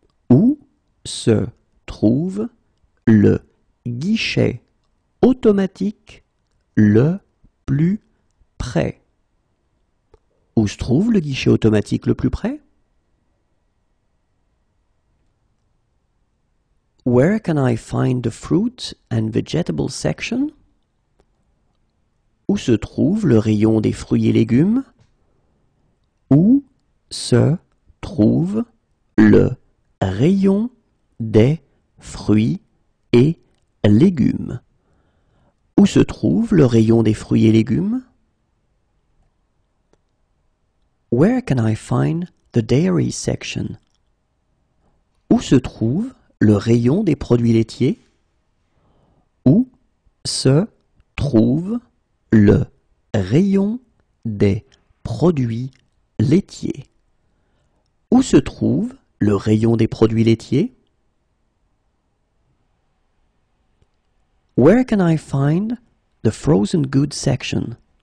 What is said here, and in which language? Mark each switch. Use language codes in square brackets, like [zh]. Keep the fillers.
[fr] Où se trouve le guichet automatique le plus près? Où se trouve le guichet automatique le plus près? [en] Where can I find the fruit and vegetable section? [fr] Où se trouve le rayon des fruits et légumes Où se trouve le rayon des fruits et légumes Où se trouve le rayon des fruits et légumes [en] Where can I find the dairy section [fr] Où se trouve le rayon des produits laitiers Où se trouve le le rayon des produits laitiers. Où se trouve le rayon des produits laitiers? [en] Where can I find the frozen goods section?